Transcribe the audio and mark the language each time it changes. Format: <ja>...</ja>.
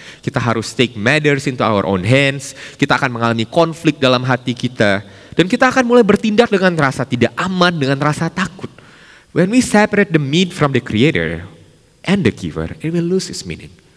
<id>Kita harus</id> <en>take matters into our own hands.</en> <id>Kita akan mengalami konflik dalam hati kita. Dan kita akan mulai bertindak dengan rasa tidak aman, dengan rasa takut.</id> <en>When we separate the meat from the creator and the giver, it will lose its meaning.</en>